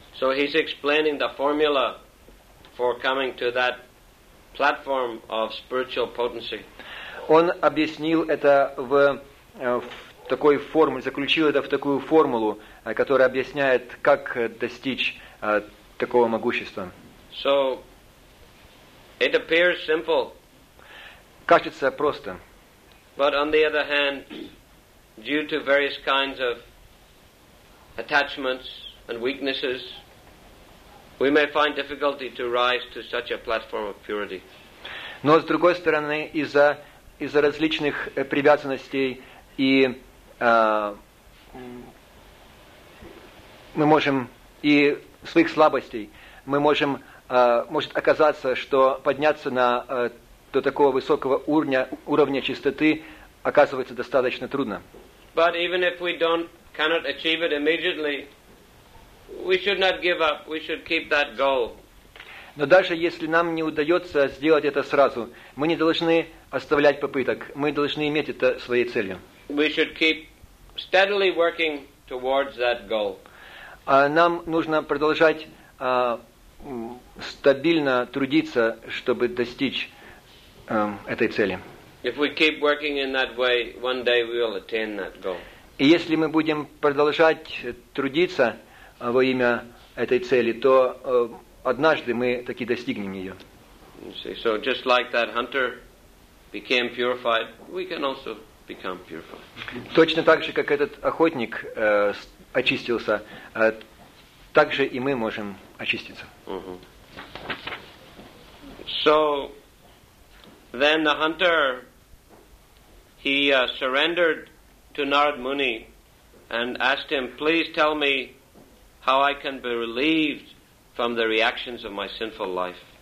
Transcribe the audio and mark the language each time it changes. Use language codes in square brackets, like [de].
[en] So he's explaining the formula for coming to that platform of spiritual potency. [ru] Он объяснил это в такой формуле, заключил это в такую формулу, которая объясняет, как достичь такого могущества. [en] So, it appears simple. [ru] Кажется просто. [en] But on the other hand, due to various kinds of attachments and weaknesses, we may find difficulty to rise to such a platform of purity. [ru] Но с другой стороны, из-за различных привязанностей и мы можем и своих слабостей, мы можем, может оказаться, что подняться до такого высокого уровня чистоты оказывается достаточно трудно. [en] But even if we cannot achieve it immediately, we should not give up, we should keep that goal. [ru] Но даже если нам не удается сделать это сразу, мы не должны оставлять попыток, мы должны иметь это своей целью. [en] We should keep steadily working towards that goal. [ru] Нам нужно продолжать стабильно трудиться, чтобы достичь этой цели. [en] If we keep working in that way, one day we will attain that goal. [ru] И если мы будем продолжать трудиться, во имя этой цели, то однажды мы таки достигнем ее. [en] So just like that hunter became purified, we can also become purified. [ru] Точно так же, как этот охотник очистился, так же и мы можем очиститься. [en] So then the hunter, he surrendered to Narad Muni and asked him, please tell me how I can be relieved from the reactions of my sinful life.